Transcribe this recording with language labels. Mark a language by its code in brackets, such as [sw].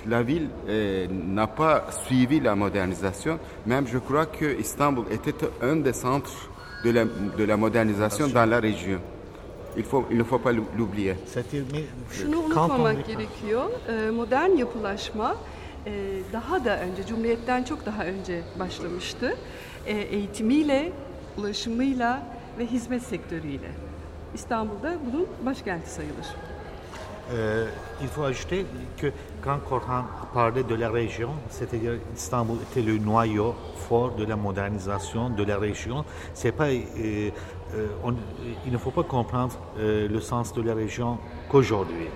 [fr] La ville n'a pas suivi la modernisation, même je crois que Istanbul était un des centres de la modernisation dans la région. Il ne faut pas l'oublier. [tr] Şunu unutmamak gerekiyor. Modern yapılaşma daha da önce, Cumhuriyet'ten çok daha önce başlamıştı. Eğitimiyle, ulaşımıyla ve hizmet sektörüyle. İstanbul'da bunun başkenti sayılır. [fr] Il faut ajouter que quand Corhan parlait de la région, c'est-à-dire Istanbul était le noyau fort de la modernisation de la région, c'est pas, il ne faut pas comprendre le sens de la région qu'aujourd'hui.